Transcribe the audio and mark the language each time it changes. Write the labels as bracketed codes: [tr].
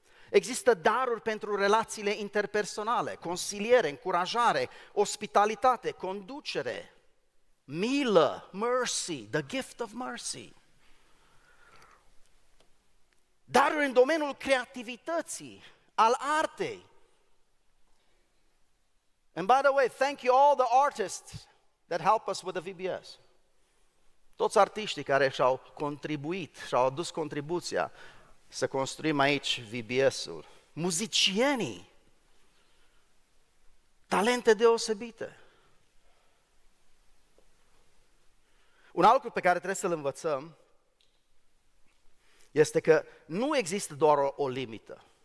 [ro] Există daruri pentru relațiile interpersonale, consiliere, încurajare, ospitalitate, conducere, milă, [en] mercy, the gift of mercy. [ro] Daruri în domeniul creativității, al artei. [en] And by the way, thank you all the artists that help us with the VBS. [ro] Toți artiștii care și-au contribuit, și-au adus contribuția să construim aici VBS-ul. Muzicienii, talente deosebite. Un alt lucru pe care trebuie să-l învățăm este că nu există doar o limită.